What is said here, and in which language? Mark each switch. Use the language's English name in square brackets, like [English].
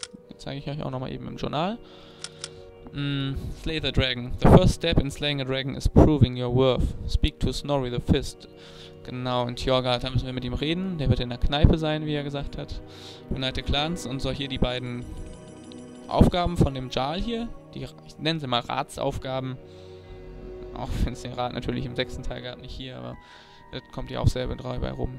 [German] Den zeige ich euch auch nochmal eben im Journal. [English] Slay the dragon. The first step in slaying a dragon is proving your worth. Speak to Snorri the Fist. [German] Genau, und Thorgard, da müssen wir mit ihm reden. Der wird in der Kneipe sein, wie er gesagt hat. Unite Clans und so hier die beiden Aufgaben von dem Jarl hier. Ich nenne sie mal Ratsaufgaben. Auch wenn es den Rat natürlich im sechsten Teil gab, nicht hier, aber das kommt ja auch selber drauf bei rum.